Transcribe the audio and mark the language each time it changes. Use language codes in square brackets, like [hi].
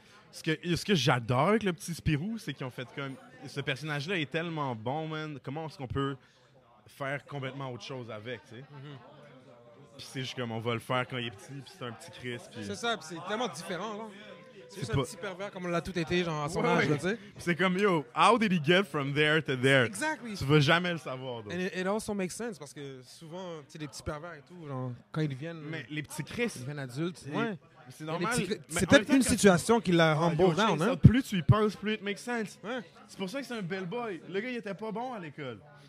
[fr] Ce que j'adore avec le petit Spirou, c'est qu'ils ont fait comme... Ce personnage-là est tellement bon, man. Comment est-ce qu'on peut faire complètement autre chose avec, tu sais? Mm-hmm. Puis c'est juste comme on va le faire quand il est petit, puis c'est un petit Chris. Pis... C'est ça, puis c'est tellement différent, là. C'est juste pas... un petit pervers comme on l'a tout été, genre, à son âge, tu sais? Puis c'est comme, [en] yo, how did he get from there to there? Exactly. [fr] Tu vas jamais le savoir, donc. [en] And it also makes sense, [fr] parce que souvent, tu sais, les petits pervers et tout, genre, quand ils deviennent... Mais les petits Chris... Ils deviennent adultes, t'sais. Ouais. C'est normal. C'est peut-être une situation qui l'a rembourse down. Hein? Plus tu y penses, plus [en] it makes sense. [fr] Hein? C'est pour ça que c'est un bel boy. Le gars, il était pas bon à l'école.